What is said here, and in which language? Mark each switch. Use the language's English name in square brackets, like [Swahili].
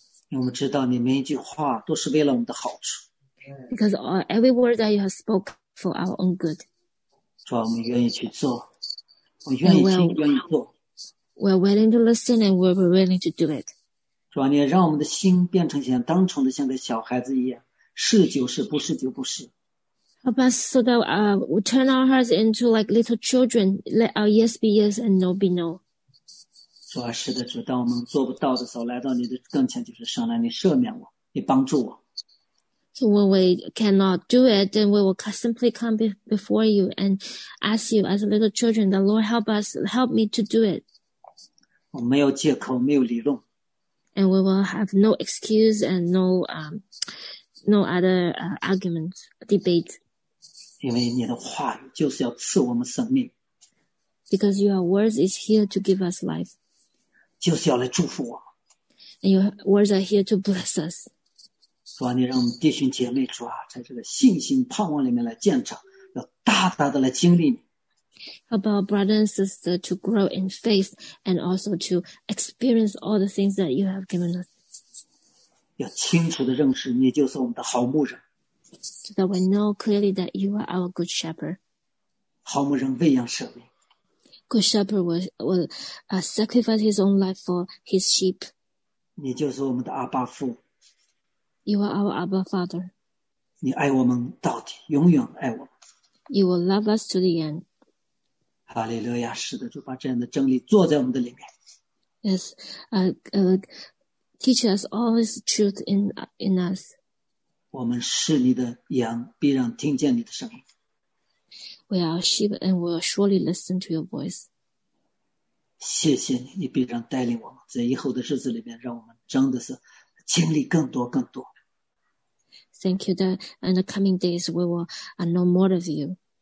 [Chinese] 我们知道你每一句话都是为了我们的好处。 [English] Because every word that you have spoken for our own good. [Chinese] 主啊，我们愿意去做，我愿意听，愿意做。 [English] We're willing to listen and we're willing to do it. [Chinese] 主啊，你让我们的心变成像单纯的，像个小孩子一样，是就是，不是就不是。 [English] Help us so that we turn our hearts into like little children. Let our yes be yes and no be no. [Chinese] 主啊，是的，主，当我们做不到的时候，来到你的跟前，就是神啊，你赦免我，你帮助我。 [English] So when we cannot do it, then we will simply come before you and ask you as little children, the Lord help us, help me to do it. [Chinese] 我没有借口，没有理论。 [English] And we will have no excuse and no other arguments, debates. [Chinese] 因为你的话就是要赐我们生命。 [English] Because your words is here to give us life. [Chinese] 就是要来祝福我。 [English] And your words are here to bless us. [Chinese] 主啊，你让我们弟兄姐妹主啊，在这个信心盼望里面来建长，要大大的来经历你。 [English] Help our brother and sister to grow in faith and also to experience all the things that you have given us. [Chinese] 要清楚地认识你就是我们的好牧人。 [English] So that we know clearly that you are our good shepherd. [Chinese] 好牧人喂养舍命。 [English] Good shepherd will sacrifice his own life for his sheep. [Chinese] 你就是我们的阿爸父。 [English] You are our Abba Father. [Chinese] 你爱我们到底，永远爱我们。 [English] You will love us to the end. [Chinese] 哈利路亚，是的，主把这样的真理坐在我们的里面。 [English] Yes, teach us all this truth in us. [Chinese] 我们是你的羊，必然听见你的声音。 [English] We are sheep and will surely listen to your voice. [Chinese] 谢谢你，你必然带领我们，在以后的日子里面，让我们真的是经历更多更多。 [English] Thank you that in the coming days we will know more of you.